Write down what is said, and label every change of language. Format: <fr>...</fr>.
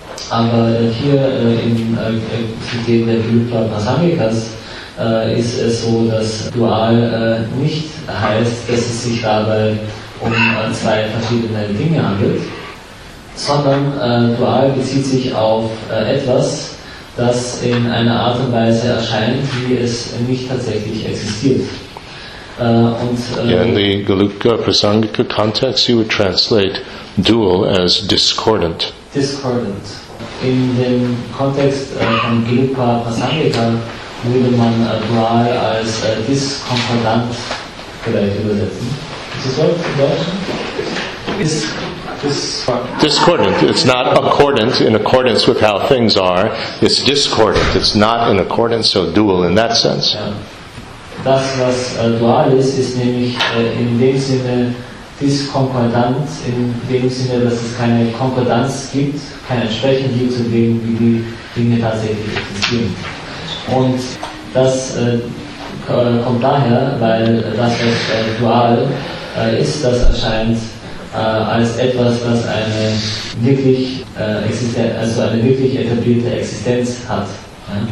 <de>Aber hier im System der Gyupta-Prasangikas ist es so, dass dual nicht heißt, dass es sich dabei um zwei verschiedene Dinge handelt, sondern dual bezieht sich auf etwas, das in einer Art und Weise erscheint, wie es nicht tatsächlich existiert.</de> <en>In the Gyupta-Prasangika context, you would translate dual as discordant. Discordant.</en> <de>In dem Kontext von Gelupa Prasangika würde man dual als diskonkordant vielleicht übersetzen. Ist das Wort in Deutsch?</de> <en>Discordant. It's not accordant in accordance with how things are. It's discordant. It's not in accordance, so dual in that sense.</en> <de>Ja. Das, was dual ist, ist nämlich in dem Sinne diskonkordant, in dem Sinne, dass es keine Konkordanz gibt, kein Entsprechen hier zu dem, wie die Dinge tatsächlich existieren. Und das kommt daher, weil das, was dual ist, das erscheint als etwas, das eine wirklich etablierte Existenz hat. Ja?</de>